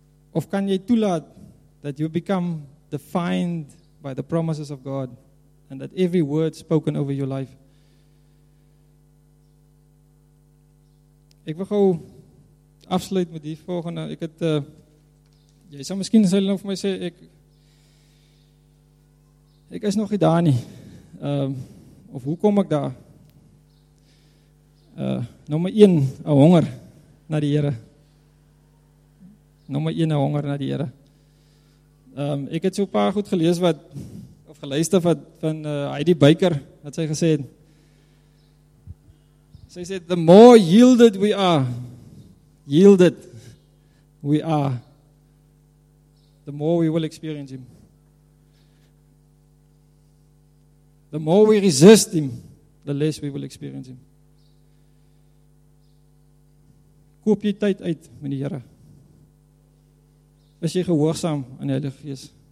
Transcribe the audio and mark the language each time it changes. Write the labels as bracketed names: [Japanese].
[Afrikaans] Of kan jy toelaat [English] that you become defined by the promises of God and that every word spoken over your life? [Afrikaans] Ek wil gou afsluit met die volgende. Ek het, jy sal miskien sê nou vir my sê, ek is nog nie daar nie. Of hoe kom ek daar? Nommer 1, 'n honger na die Here. Nommer 1, 'n honger na die Here. Ek het so paar goed gelees wat, of geluister wat, van Heidi Baker, wat sy gesê het. Sy sê, [English] the more yielded we are, the more we will experience Him. The more we resist Him, the less we will experience Him. [Afrikaans] Koop jy tyd uit, met die Here. Is jy gehoorsaam aan die Heilige Gees?